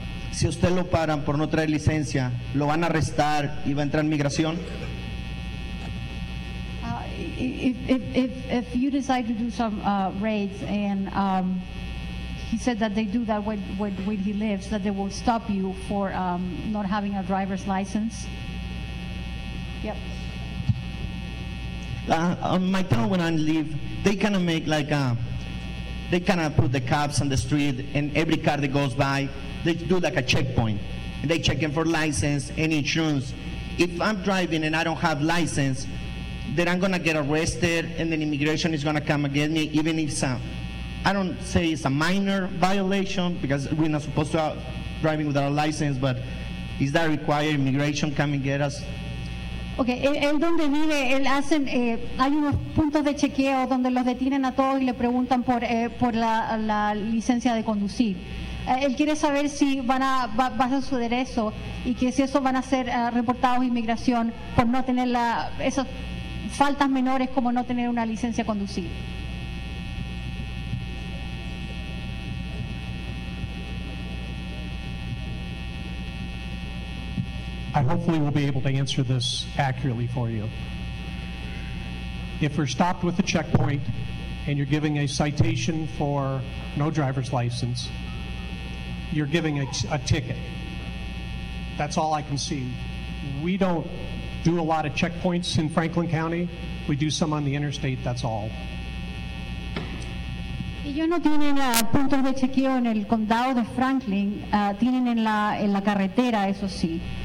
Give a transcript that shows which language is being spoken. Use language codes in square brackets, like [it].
[es] Si usted lo paran por no traer licencia, ¿lo van a arrestar y va a entrar en migración? [en] If you decide to do some raids and he said that they do that where he lives, that they will stop you for not having a driver's license. Yep. On my town when I live, they kind of make like they kind of put the cops on the street, and every car that goes by, they do like a checkpoint. They check in for license and insurance. If I'm driving and I don't have license, then I'm gonna get arrested, and then immigration is gonna come against me. Even if I don't say it's a minor violation because we're not supposed to be driving without a license, but is that required? Immigration come and get us? [es] Okay, él donde vive, él hacen, hay unos puntos de chequeo donde los detienen a todos y le preguntan por la licencia de conducir. Él quiere saber si va a suceder eso y que si eso van a ser reportados a inmigración por no tener esas faltas menores como no tener una licencia de conducir. [en] I hopefully will be able to answer this accurately for you. If we're stopped with a checkpoint and you're giving a citation for no driver's license, you're giving a ticket. That's all I can see. We don't do a lot of checkpoints in Franklin County. We do some on the interstate, that's all. [es] Ellos no tienen puntos de chequeo en el condado de Franklin, tienen en la carretera, eso sí.